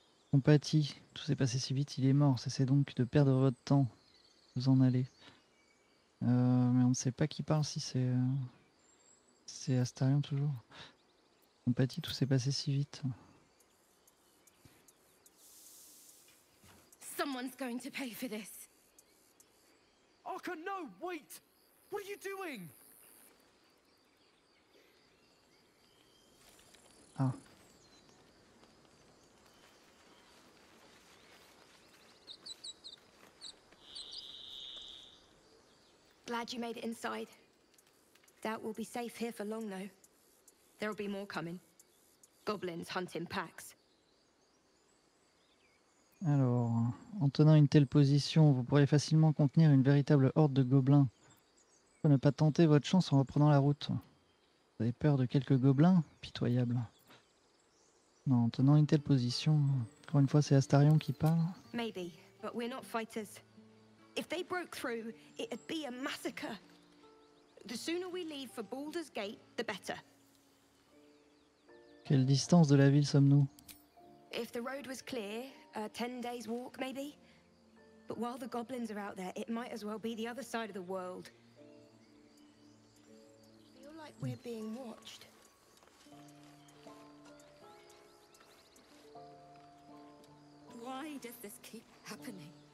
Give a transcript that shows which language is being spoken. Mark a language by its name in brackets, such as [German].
[French] Compati, tout s'est passé si vite, il est mort. Cessez donc de perdre votre temps. Vous en allez. Mais on ne sait pas qui parle, si c'est Astarion toujours. Compati, tout s'est passé si vite. [English] Someone's going to pay for this. Arca, no, wait! What are you doing? Ah. Glad you made it inside. Doubt we'll be safe here for long, though. There'll be more coming. Goblins hunting packs. [French] Alors, en tenant une telle position, vous pourrez facilement contenir une véritable horde de gobelins. Pourquoi ne pas tenter votre chance en reprenant la route? Vous avez peur de quelques gobelins? Pitoyable. Non, en tenant une telle position, encore une fois, c'est Astarion qui parle. [English] Maybe, but we're not fighters. If they broke through, it'd be a massacre. The sooner we leave for Baldur's Gate, the better. Quelle distance de la ville sommes-nous? If the road was clear. A 10 days walk, maybe? But while the goblins are out there, it might as well be the other side of the world. I feel like we're being watched. Why does this keep happening?